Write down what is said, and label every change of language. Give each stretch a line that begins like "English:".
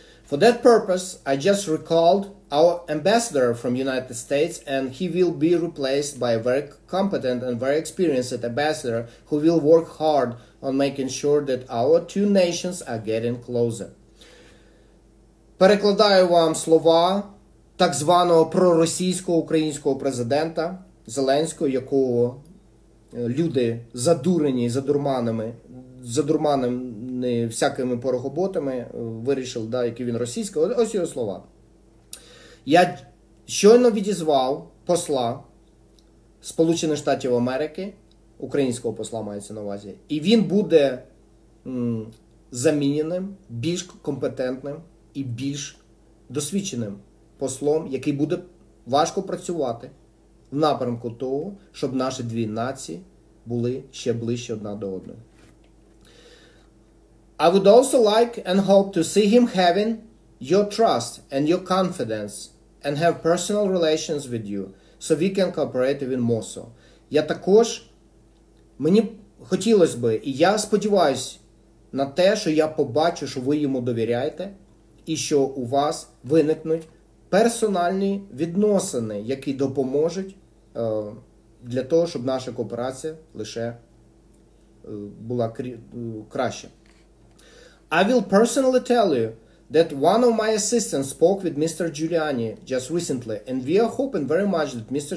English: For that purpose, I just recalled our ambassador from United States, and he will be replaced by a very competent and very experienced ambassador who will work hard on making sure that our two nations are getting closer.
Ukrainian: Перекладаю вам слова так званого проросійсько-українського президента Зеленського, якого люди задурені, задурманими, задурманені всякими порохоботами, вирішив, да, який він російський. Ось його слова. Я щойно відізвав посла Сполучених Штатів Америки, українського посла мається на увазі, і він буде заміненим, більш компетентним і більш досвідченим послом, який буде важко працювати в напрямку того, щоб наші дві нації були ще ближче одна до одної.
English: I would also like and hope to see him having your trust and your confidence and have personal relations with you, so we can cooperate even more so.
Ukrainian: Я також, мені хотілося би, і я сподіваюся на те, що я побачу, що ви йому довіряєте, і що у вас виникнуть персональні відносини, які допоможуть для того, щоб наша кооперація лише була краще.
English: I will personally tell you that one of my assistants spoke with Mr. Giuliani just recently, and we are hoping very much that Mr.